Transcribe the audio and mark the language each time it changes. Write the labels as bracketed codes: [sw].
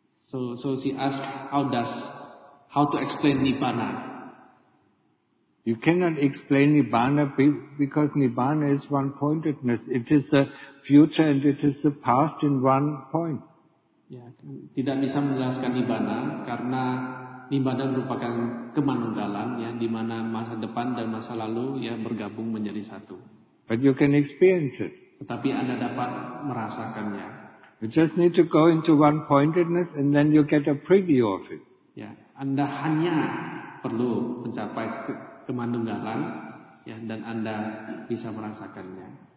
[en] So she asked, how to explain Nibbana? You cannot explain Nibbana because Nibbana is one-pointedness. It is the future and it is the past in one point. [id] Ya, tidak bisa menjelaskan Nibbana karena Nibbana merupakan kemanunggalan, ya, di mana masa depan dan masa lalu ya bergabung menjadi satu. [en] But you can experience it. [id] Tetapi Anda dapat merasakannya. [en] You just need to go into one-pointedness and then you get a preview of it. [id] Ya, Anda hanya perlu mencapai kemanunggalan, ya, dan Anda bisa merasakannya.